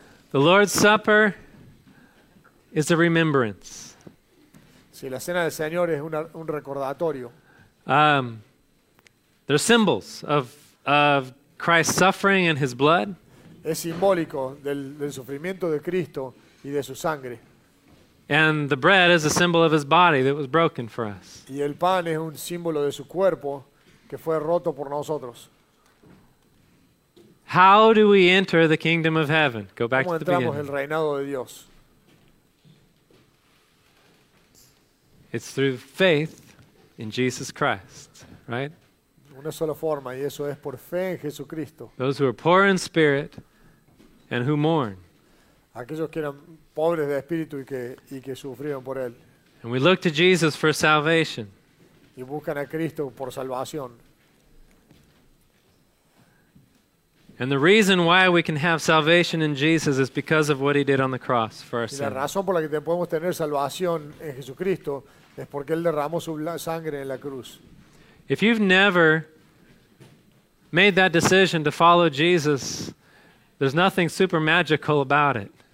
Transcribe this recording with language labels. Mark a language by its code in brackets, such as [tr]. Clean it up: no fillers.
[en] The Lord's Supper is a remembrance. [es] Sí, la cena del Señor es un recordatorio. [en] They're symbols of Christ's suffering and His blood. [es] Es simbólico del sufrimiento de Cristo y de su sangre. [en] And the bread is a symbol of His body that was broken for us. [es] Y el pan es un símbolo de su cuerpo que fue roto por nosotros. [en] How do we enter the kingdom of heaven? Go back to the beginning. [es] ¿Cómo entramos el reinado de Dios? [en] It's through faith in Jesus Christ, right? [es] Una sola forma, y eso es por fe en Jesucristo. [en] Those who are poor in spirit and who mourn. [es] Aquellos que eran pobres de espíritu y que sufrieron por él. [en] And we look to Jesus for salvation. [es] Y buscan a Cristo por salvación. [en] And the reason why we can have salvation in Jesus is because of what he did on the cross for our sins. [es] Y la razón por la que podemos tener salvación en Jesucristo es porque él derramó su sangre en la cruz. [en] If you've never made that decision to follow Jesus, there's nothing super magical about it.